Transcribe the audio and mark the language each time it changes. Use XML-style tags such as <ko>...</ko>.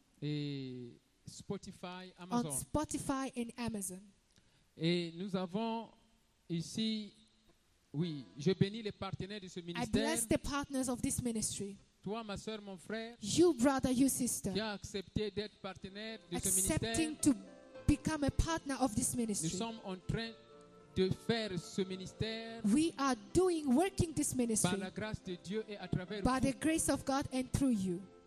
<fr>Et Spotify, Amazon.</fr> <en>On Spotify and Amazon.</en> <fr>Et nous avons ici. Oui, je bénis les partenaires de ce ministère.</fr> <en>I bless the partners of this ministry.</en> <fr>Toi, ma sœur, mon frère.</fr> <en>You, brother, you, sister.</en> <fr>Qui a accepté d'être partenaire de ce ministère.</fr> <en>Accepting to become a partner of this ministry.</en> <fr>Nous sommes en train de faire ce ministère.</fr> <en>We are doing, working this ministry.</en> <fr>Par la grâce de Dieu et à travers vous.</fr> <en>By the grace of God and through you.</en>